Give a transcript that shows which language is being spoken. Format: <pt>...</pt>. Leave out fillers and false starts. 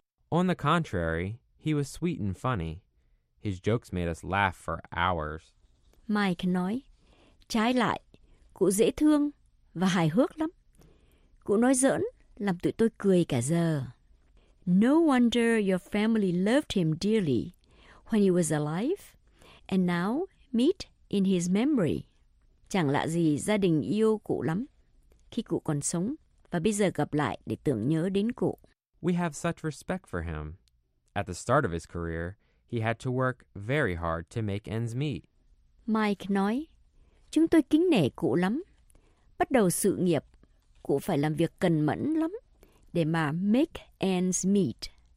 <en>On the contrary, he was sweet and funny. His jokes made us laugh for hours.</en> <vi>Mike nói, trái lại, cụ dễ thương và hài hước lắm. Cụ nói giỡn, làm tụi tôi cười cả giờ.</vi> <en>No wonder your family loved him dearly when he was alive and now meet in his memory.</en> <vi>Chẳng lạ gì gia đình yêu cụ lắm khi cụ còn sống và bây giờ gặp lại để tưởng nhớ đến cụ.</vi> <en>We have such respect for him. At the start of his career, he had to work very hard to make ends meet.</en> <vi>Mike nói, chúng tôi kính nể cụ lắm. Bắt đầu sự nghiệp, cụ phải làm việc cần mẫn lắm để mà</vi> <en>make ends meet.</en>